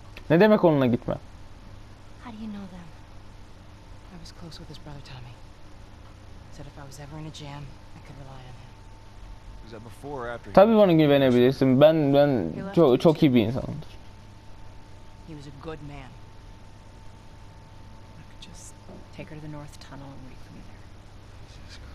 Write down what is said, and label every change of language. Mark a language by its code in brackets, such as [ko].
[tr] Ne demek onunla gitme? [en] How do you know them? I was close with his brother Tommy. Said if I was ever in a jam, I could rely on him. Is that before or after? [tr] Tabii bana güvenebilirsin. Ben çok iyi bir insanımdır. [en] He was a good man. I could just take her to the north tunnel and wait for me there.